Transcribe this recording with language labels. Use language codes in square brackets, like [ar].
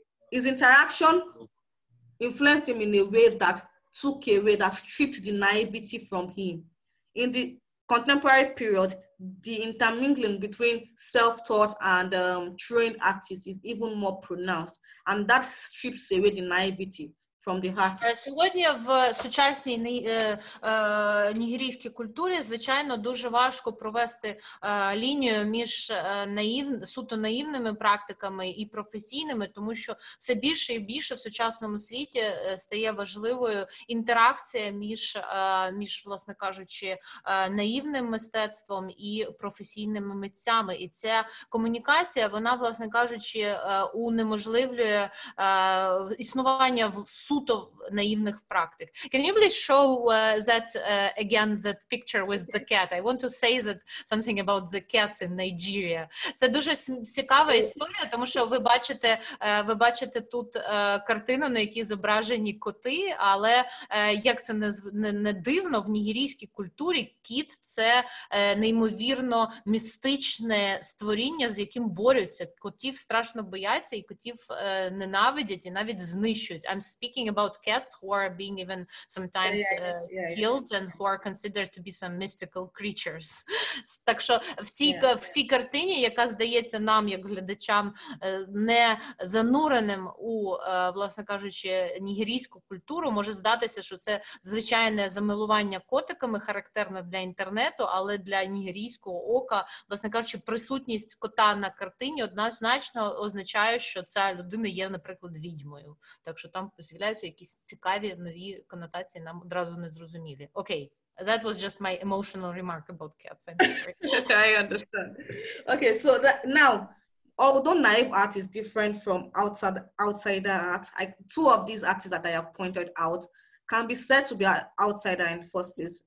[en] His interaction influenced him in a way that took away, that stripped the naivety from him. In the contemporary period, the intermingling between self-taught and trained artists is even more pronounced, and that strips away the naivety from the artist. [uk] Сьогодні в сучасній нігерійській культурі, звичайно, дуже важко провести лінію між суто наївними практиками і професійними, тому що все більше і більше в сучасному світі стає важливою інтеракція між власне кажучи, наївним мистецтвом і професійними митцями. І ця комунікація, вона, власне кажучи, унеможливлює існування в суто [ru] наивных [uk] практик. [en] Can you please show that picture with the cat? I want to say that something about the cats in Nigeria. [uk] Це дуже цікава історія, тому що ви бачите тут картину, на якій зображені коти, але як це не дивно, в нігерійській культурі кіт – це неймовірно містичне створіння, з яким борються. Котів страшно бояться і котів ненавидять і навіть знищують. [en] I'm speaking about cats who are being even sometimes killed and who are considered to be some mystical creatures. [uk] Так що в цій картині, яка здається нам, як глядачам, не зануреним у, власне кажучи, нігерійську культуру, може здатися, що це звичайне замилування котиками, характерне для інтернету, але для нігерійського ока, власне кажучи, присутність кота на картині однозначно означає, що ця людина є, наприклад, відьмою. Так що там з'являються якісь цікаві нові конотації, нам одразу не зрозумілі. Окей, okay. [en] That was just my emotional remark about cats. I understand. Okay, so now, although naive art is different from outsider art, two of these artists that I have pointed out can be said to be an outsider in the first place.